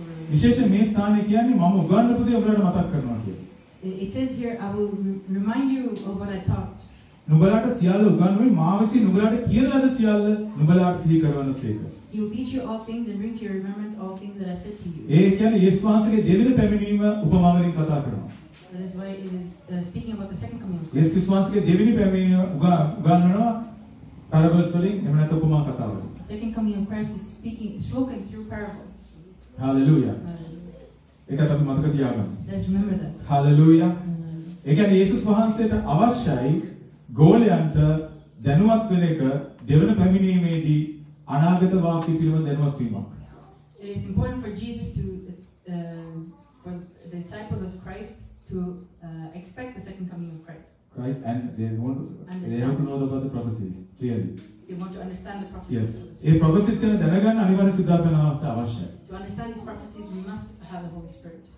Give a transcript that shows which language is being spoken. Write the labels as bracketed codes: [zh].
[si] විශේෂයෙන් මේ ස්ථානයේ කියන්නේ මම උගන්වපු පොතේ ඔබලට මතක් කරනවා කියලා. [en] It says here I will remind you of what I taught. [si] නුඹලාට සියල්ල උගන්වමින් මා විසින් නුඹලාට කියන ලද සියල්ල නුඹලාට සිහි කරවන්න සේක. [en] You teach you all things and bring to your remembrance all things that I said to you. [si] ඒ කියන්නේ යේසුස් වහන්සේගේ දෙවෙනි පැමිණීම උපමා වලින් කතා කරනවා. [en] That is why it is speaking about the second coming. [si] යේසුස් වහන්සේගේ දෙවෙනි පැමිණීම උගන්වනවා parables වලින්, එහෙම නැත්නම් උපමා කතා වලින්. [en] Second coming of Christ is speaking spoken through parables. [si] Hallelujah. ඒක තමයි මතක තියාගන්න. [en] Let's remember that. Hallelujah. [si] ඒ කියන්නේ යේසුස් වහන්සේට අවශ්‍යයි ගෝලයන්ට දැනුවත් වෙන එක දෙවන පැමිණීමේදී අනාගත වාක්‍ය පිළිබඳ දැනුවත් වීමක්. [en] It is important for Jesus to for the disciples of Christ to expect the second coming of Christ. Christ and they have to know about the prophecies clearly. They want to understand the prophecies. [si] Yes. ඒ ප්‍රොෆෙසිස් ගැන දැනගන්න අනිවාර්ය සුද්ධාත්මන අවශ්‍යයි. [en] To understand these prophecies we must have the Holy Spirit.